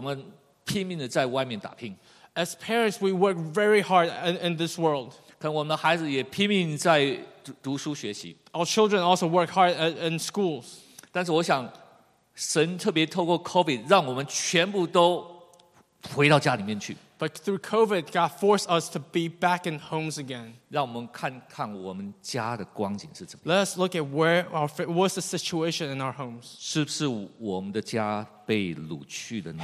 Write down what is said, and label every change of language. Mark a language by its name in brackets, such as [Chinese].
[Chinese] 我们做父母的，我们拼命的在外面打拼。 [English] As parents, we work very hard in this world. [Chinese] 可能我们的孩子也拼命在读书学习。 [English] Our children also work hard in schools. [Chinese] 但是我想。神特别透过 COVID 让我们全部都回到家里面去。 [English] But through COVID, God forced us to be back in homes again. [Chinese] 让我们看看我们家的光景是怎么样。 [English] Let us look at what's the situation in our homes. [Chinese] 是不是我们的家被掳去的呢？